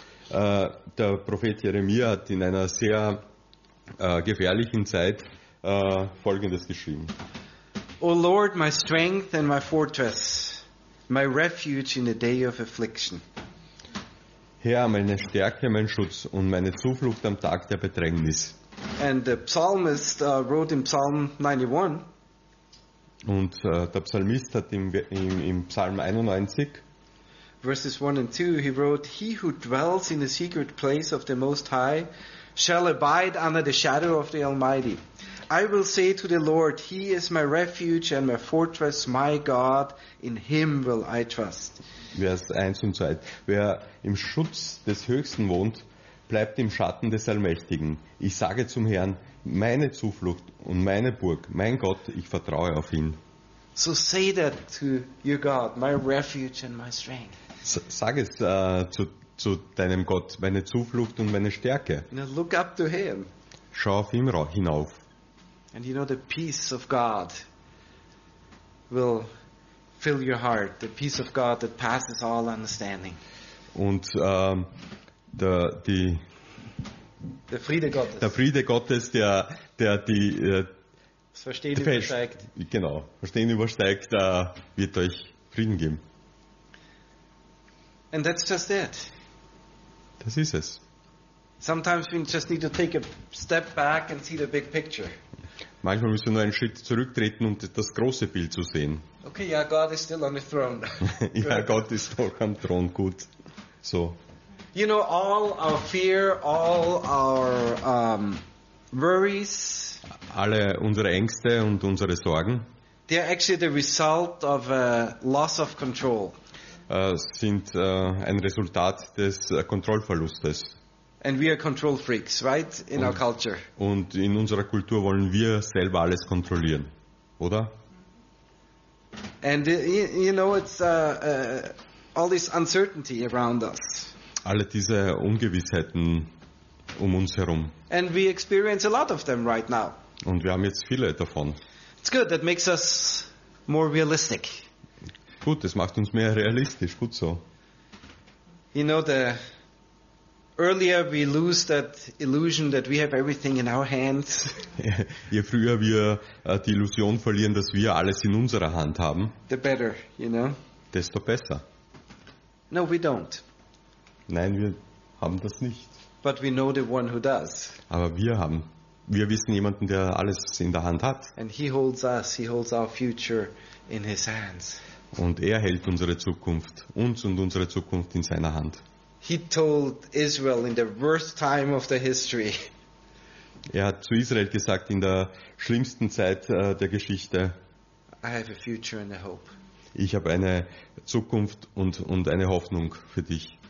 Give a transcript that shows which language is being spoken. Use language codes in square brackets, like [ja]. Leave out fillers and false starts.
[de] Der Prophet Jeremia hat in einer sehr gefährlichen Zeit Folgendes geschrieben. [en] O Lord, my strength and my fortress, my refuge in the day of affliction. [de] Herr, meine Stärke, mein Schutz und meine Zuflucht am Tag der Bedrängnis. [en] And the psalmist wrote in Psalm 91. [de] Und der Psalmist hat im Psalm 91, [en] verses 1 and 2, he wrote, "He who dwells in the secret place of the Most High shall abide under the shadow of the Almighty. I will say to the Lord, He is my refuge and my fortress, my God, in Him will I trust." [de] Vers 1 und 2. Wer im Schutz des Höchsten wohnt, bleibt im Schatten des Allmächtigen. Ich sage zum Herrn, meine Zuflucht und meine Burg, mein Gott, ich vertraue auf ihn. [en] So say that to your God, my refuge and my strength. [de] Sag es zu deinem Gott, meine Zuflucht und meine Stärke. [en] Now look up to him. [de] Schau auf ihn hinauf. [en] And you know, the peace of God will fill your heart. The peace of God that passes all understanding. [de] Und Der Friede Gottes. Der Friede Gottes, der die das Verstehen übersteigt. Genau, Verstehen übersteigt, wird euch Frieden geben. [en] And that's just it. [de] Das ist es. [en] Sometimes we just need to take a step back and see the big picture. [de] Manchmal müssen wir nur einen Schritt zurücktreten, um das große Bild zu sehen. [en] Okay, yeah, God is still on the throne. [de] Ja, Gott ist noch am Thron, gut. So. [en] You know, all our fear, all our worries, [de] alle unsere Ängste und unsere Sorgen, [en] they are actually the result of a loss of control. [de] Sind ein Resultat des Kontrollverlustes. [en] And we are control freaks, right? In our culture. [de] Und in unserer Kultur wollen wir selber alles kontrollieren, oder? [en] And you know, it's all this uncertainty around us. [de] Alle diese Ungewissheiten um uns herum. [en] And we experience a lot of them right now. [de] Und wir haben jetzt viele davon. [en] It's good, that makes us more realistic. [de] Gut, das macht uns mehr realistisch, gut so. [en] You know, the earlier we lose that illusion that we have everything in our hands. [de] Je früher wir die Illusion verlieren, dass wir alles in unserer Hand haben, [en] the better, you know. [de] Desto besser. [en] No, we don't. [de] Nein, wir haben das nicht. [en] But we know the one who does. [de] Aber wir wissen jemanden, der alles in der Hand hat. [en] And he holds us, he holds our future in his hands. [de] Und er hält unsere Zukunft, uns und unsere Zukunft in seiner Hand. [en] He told Israel in the worst time of the history. [de] Er hat zu Israel gesagt in der schlimmsten Zeit der Geschichte. [en] I have a future and a hope. [de] Ich habe eine Zukunft und eine Hoffnung für dich.